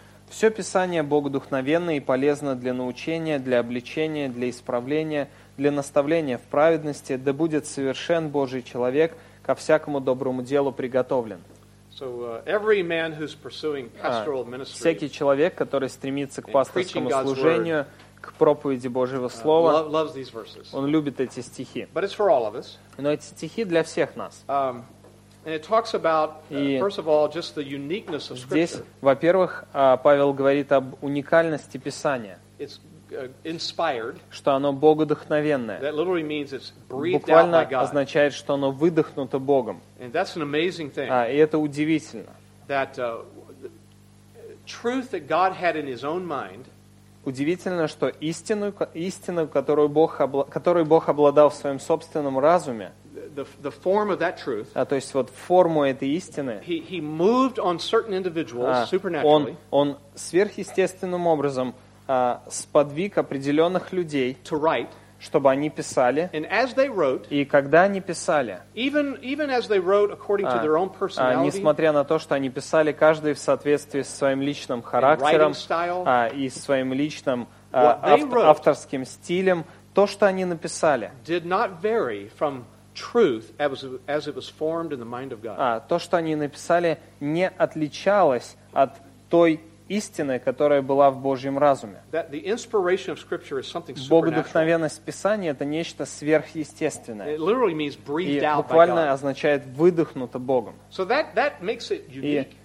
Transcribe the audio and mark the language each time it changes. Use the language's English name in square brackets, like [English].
[Russian] Все Писание богодухновенно и полезно для научения, для обличения, для исправления, для наставления в праведности, да будет совершен Божий человек, ко всякому доброму делу приготовлен. [English] So, every man who's pursuing pastoral ministry, [Russian] всякий человек, который стремится к пасторскому служению, к проповеди Божьего Слова, он любит эти стихи. [English] But it's for all of us. [Russian] Но эти стихи для всех нас. [English] And it talks about, first of all, just the uniqueness of Scripture. [Russian] Здесь, во-первых, Павел говорит об уникальности Писания. [English] It's inspired. [Russian] Что оно богодухновенное. [English] That literally means it's breathed [Russian] буквально [English] out by God. [Russian] Означает, что оно выдохнуто Богом. [English] And that's an amazing thing. [Russian] И это удивительно. [English] That the truth that God had in His own mind. [Russian] Удивительно, что истину, которую Бог обладал в своем собственном разуме, [English] the form of that truth, [Russian] то есть вот форму этой истины, [English] he moved on certain individuals supernaturally, [Russian] он сверхъестественным образом сподвиг определенных людей, [English] to write, [Russian] чтобы они писали, [English] and as they wrote, [Russian] и когда они писали, [English] even as they wrote according to their own personality, [Russian] несмотря на то, что они писали каждый в соответствии со своим личным характером и своим личным авторским стилем, то, что они написали, [English] did not vary from truth as it was formed in the mind of God. [Russian] То, что они написали, не отличалось от той истины, которая была в Божьем разуме. [English] That the inspiration of Scripture is something supernatural. [Russian] Богодухновенность Писания — это нечто сверхъестественное. [English] It literally means breathed out by God. [Russian] И буквально означает выдохнуто Богом. [English] So that makes it unique.